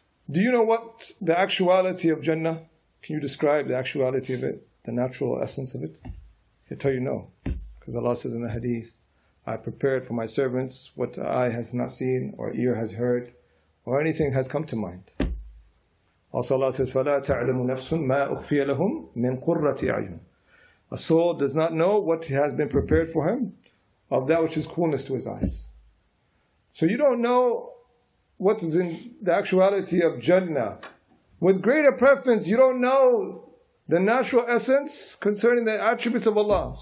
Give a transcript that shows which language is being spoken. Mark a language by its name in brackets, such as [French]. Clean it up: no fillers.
[English] Do you know what the actuality of Jannah? Can you describe the actuality of it, the natural essence of it? I tell you no. Because Allah says in the Hadith, I prepared for my servants what the eye has not seen, or ear has heard, or anything has come to mind. Also Allah says, [Arabic] فَلَا تَعْلَمُ نَفْسٌ مَا أُخْفِيَ لَهُمْ مِنْ قُرَّةِ أَعْيُنٍ. [English] A soul does not know what has been prepared for him of that which is coolness to his eyes. So you don't know what is in the actuality of Jannah. With greater preference, you don't know the natural essence concerning the attributes of Allah.